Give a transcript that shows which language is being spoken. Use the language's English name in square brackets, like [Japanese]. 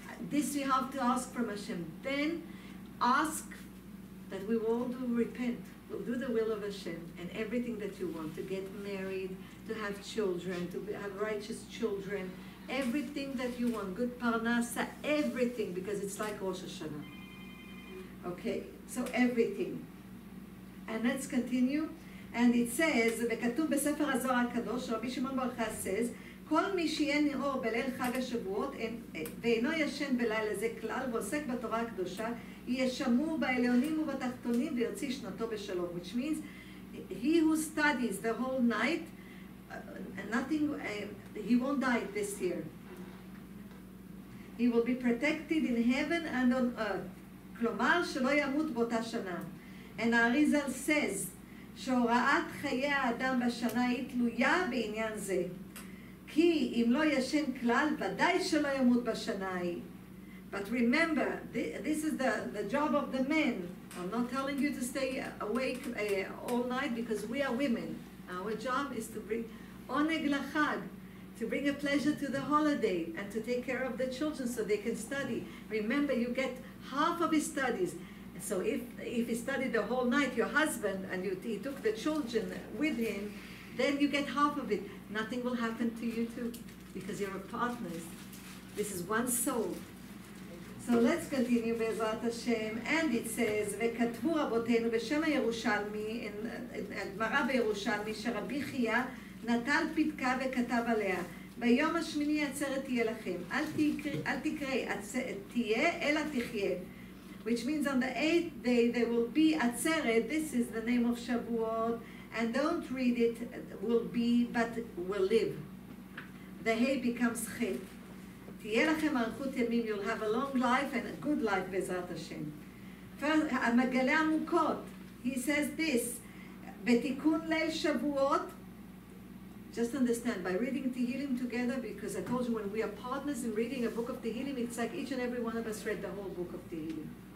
[English] This you have to ask from Hashem. Then ask that we will all do repent, we'll do the will of Hashem, and everything that you want, to get married, to have children, to have righteous children, everything that you want, good parnasa, everything, because it's like Rosh Hashanah. Okay, so everything. And let's continue. And it says, [Hebrew] וכתוב בספר הזוהר הקדוש, רבי שמעון בר יוחאי says, כל מי שיהיה נאור בליל חג השבועות, ואינו ישן בלילה זה כלל, ועוסק בתורה הקדושה, יהיה שמור בעליונים ובתחתונים, ויוציא שנתו בשלום. [English] Which means, he who studies the whole night, nothing, he won't die this year. He will be protected in heaven and on earth. [Hebrew] כלומר, שלא ימות באותה שנה. [English] And Arizal says, [Hebrew] שהוראת חיי האדם בשנה היא תלויה בעניין זה. כי אם לא ישן כלל, ודאי שלא ימות בשנה היא. [English] But remember, this is the job of the men. I'm not telling you to stay awake all night because we are women. Our job is to bring... Oneg lachag, to bring a pleasure to the holiday and to take care of the children so they can study. Remember, you get half of his studies. So if he studied the whole night, your husband, and he took the children with him, then you get half of it. Nothing will happen to you too, because you're a partner. This is one soul. So let's continue, Be'ezrat Hashem. And it says, [Hebrew] וכתבו רבותינו בשם הירושלמי, הגמרא בירושלמי, שרבי חייה, נטל פתקה וכתב עליה, ביום השמיני עצרת תהיה לכם, אל תקרא, תהיה, אלא תחיה. [English] Which means on the eighth day there will be עצרת, this is the name of Shavuot, and don't read it, will be, but will live. The hay becomes chet. [Hebrew] תהיה לכם ארכות ימים, [English] you'll have a long life and a good life [Hebrew] בעזרת השם. [English] המגלה עמוקות, he says this, [Hebrew] בתיקון ליל שבועות, [English] just understand, by reading Tehillim together, because I told you when we are partners in reading a book of Tehillim, it's like each and every one of us read the whole book of Tehillim.